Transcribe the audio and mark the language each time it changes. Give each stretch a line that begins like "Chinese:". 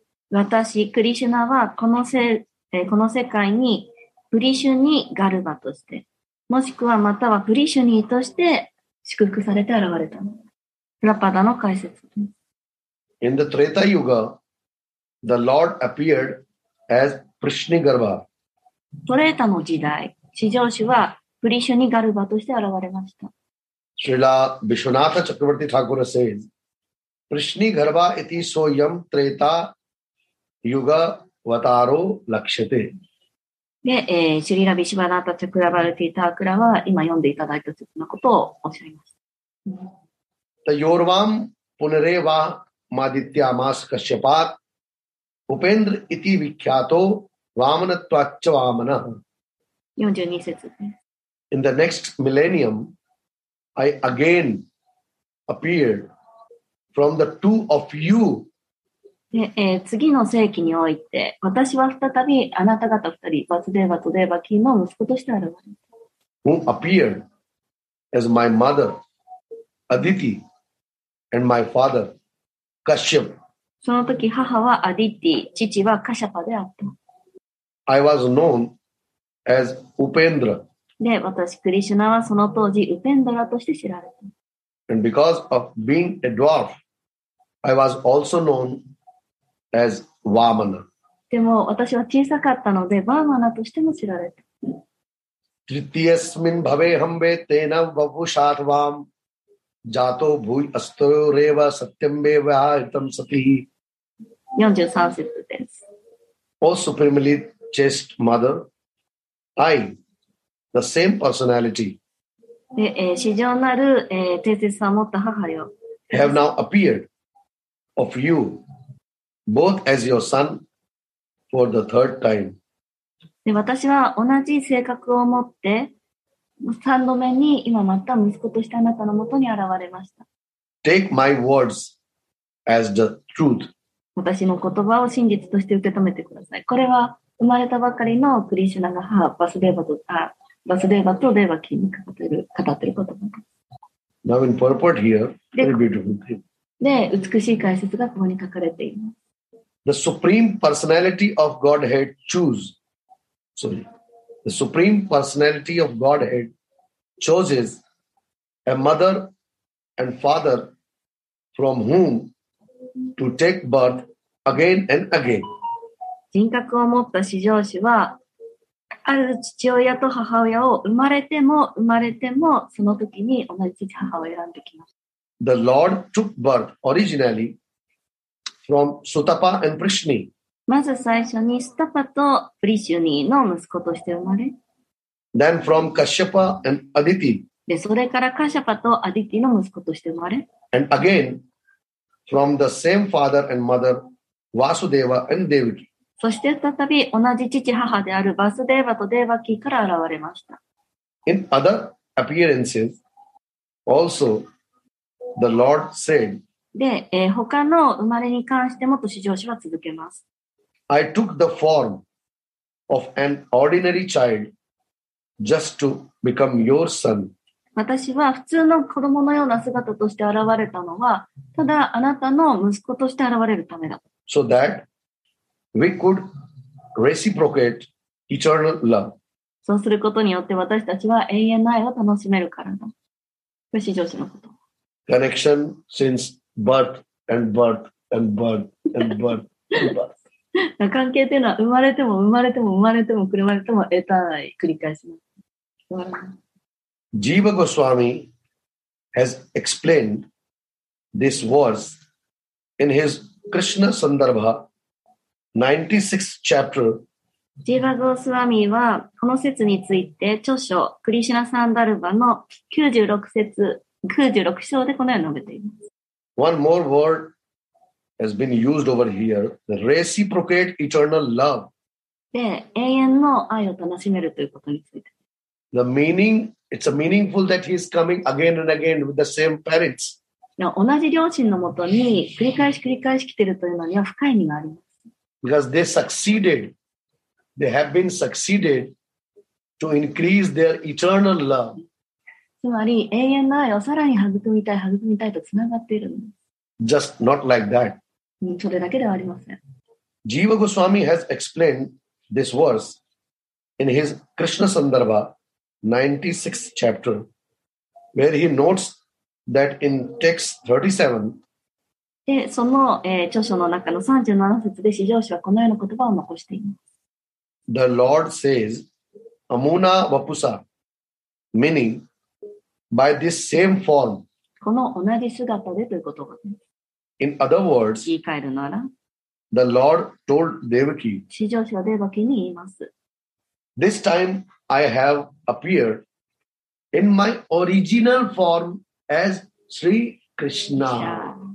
Japanese: 私、 Krishna はこの世界に
English: In the Treta Yuga, the Lord appeared as Prishni Garbha.
Japanese: Treta の時代、至上主はプリシュニガルバとして現れました。
English: Srila Vishwanatha Chakravarti Thakur says,
Sanskrit: Prishni Garbha iti soyam Treta Yuga Vataro Lakshate.
Japanese: で、シュリラ・ビシュバナータ・チャクラバルティ・タークラは今読んでいただいた説のことをおっしゃいました。
Sanskrit: タヨルワム・ポネレワ・マディティア・マス・カシャパー・ウペンドル・イティ・ヴィキャート・ワマナ・トワッチャ・ワマナ。
Japanese: 42節です。
English: In the next millennium, I again appeared from the two of you.
Japanese: 次の世紀において、私は再びあなた方二人、バスデーバとデーバキーの息子として現れた。
English: Who appeared as my mother, Aditi, and my father, Kashyap.
Japanese: その時母はアディティ、父はカシャパであった。
English: I was known as Upendra.
Japanese: で、私、クリシュナはその当時、ウペンドラとして知られた。
English: And because of being a dwarf, I was also knownas Vamana.
Japanese: でも私は小さかったので、バーマナとしても知られた。
Sanskrit: Tritiyasmin bhavehambe tena vavushatvam jato bhui astro reva satyambe vahitam sati.
Japanese: 43節です。
English: O supremely chaste mother, I, the same personality,
Japanese: 至上なる帝説さんを持った母よ。
English: have now appeared of you. Both as your son for the third time.
Japanese: で、私は同じ性格を持って、三度目に今また息子としてあなたのもとに現れました。
English: Take my words as the truth.
Japanese: 私の言葉を真実として受け止めてください。これは生まれたばかりのクリシュナが母、バスデーバとデーバキーに語っている言葉。
English: Now in purport here, very beautiful thing.
Japanese: で、美しい解説がここに書かれています。
English: The Supreme Personality of Godhead the Supreme Personality of Godhead chooses a mother and father from whom to take birth again and again.
Japanese: 人格を持った至上主は、ある父親と母親を生まれても生まれてもその時に同じ父母を選んできます。
English: The Lord took birth originally. From Sutapa and Prishni.
Japanese: まず最初にスタパとプリシュニーの息子として生まれ。
English: Then from Kashyapa and Aditi.
Japanese: で、それからカシャパとアディティの息子として生まれ。
English: And again, from the same father and mother, Vasudeva and Devaki. そ
Japanese: そして再び同じ父母であるバスデーバとデーバキから現れました。
English: In other appearances, also the Lord said,
Japanese: で、他の生まれに関してもと至上主は続けます。
English: I took the form of an ordinary child just to become your son.
Japanese: 私は普通の子供のような姿として現れたのは、ただあなたの息子として現れるためだ。
English: So that we could reciprocate eternal love.
Japanese: そうすることによって私たちは永遠の愛を楽しめるからだ。不思議女子のこと。
English: Connection since birth and birth and birth and birth and birth.
Japanese: 関係というのは生まれても生まれても生まれても生まれても得たない繰り返します。
English: Jiva Goswami has explained this verse in his Krishna Sandarbha 96th chapter.
Japanese: Jiva Goswami はこの説について著書クリシナサンダルバの96章でこのように述べています。
English: One more word. Has been used over here, the reciprocate eternal love.
Japanese: で、永遠の愛を楽しめるということについて。
English: The meaning, it's a meaningful that he is coming again and again with the same parents.
Japanese: 同じ両親のもとに繰り返し繰り返し来ているというのには深い意味があります。
English: Because they succeeded, they have been succeeded to increase their eternal love.
Japanese: つまり、永遠の愛をさらに育みたいとつながっているんです。
English: Just not like that.
Japanese: それだけではありません。
English: Jiva Goswami has explained this verse in his Krishna Sandarbha 96th chapter, where he notes that in text 37,
Japanese: でその、著書の中の37節で、至上主はこのような言葉を残しています。
English: The Lord says,
Sanskrit: Amuna Vapusa,
English: meaning by this same form,
Japanese: この同じ姿でということが、ね。
English: In other words,
Japanese: 言い換えるなら、
English: the Lord told Devaki,
Japanese: 至上主はデヴァキに言います。
English: This time I have appeared in my original form as Sri Krishna.